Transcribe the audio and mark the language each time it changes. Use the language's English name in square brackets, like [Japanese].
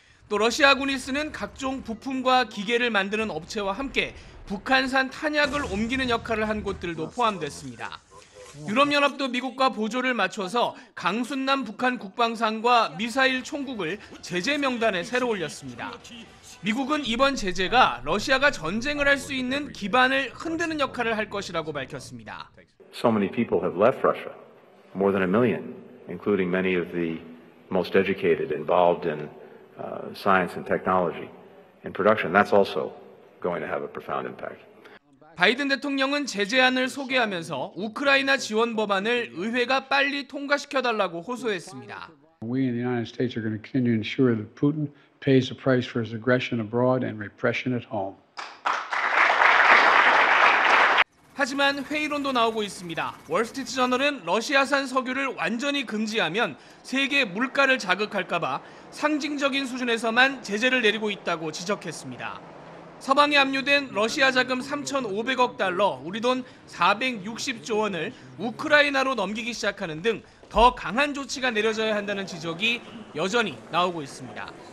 [Korean] 또 러시아군이 쓰는 각종 부품과 기계를 만드는 업체와 함께 북한산 탄약을 옮기는 역할을 한 곳들도 포함됐습니다. 유럽연합도 미국과 보조를 맞춰서 강순남 북한 국방상과 미사일 총국을 제재 명단에 새로 올렸습니다. 미국은 이번 제재가 러시아가 전쟁을 할 수 있는 기반을 흔드는 역할을 할 것이라고 밝혔습니다. [English] So many people have left Russia, more than a million, including many of the most educated involved in science and technology and production. That's also going to have a profound impact. [Korean] 바이든 대통령은 제재안을 소개하면서 우크라이나 지원 법안을 의회가 빨리 통과시켜달라고 호소했습니다. [English] We in the United States are going to continue to ensure that Putin pays the price for his aggression abroad and repression at home. [Korean] 하지만 회의론도 나오고 있습니다. 월스트리트 저널은 러시아산 석유를 완전히 금지하면 세계 물가를 자극할까봐 상징적인 수준에서만 제재를 내리고 있다고 지적했습니다. 서방에 압류된 러시아 자금 3,500억 달러, 우리 돈 460조 원을 우크라이나로 넘기기 시작하는 등 더 강한 조치가 내려져야 한다는 지적이 여전히 나오고 있습니다.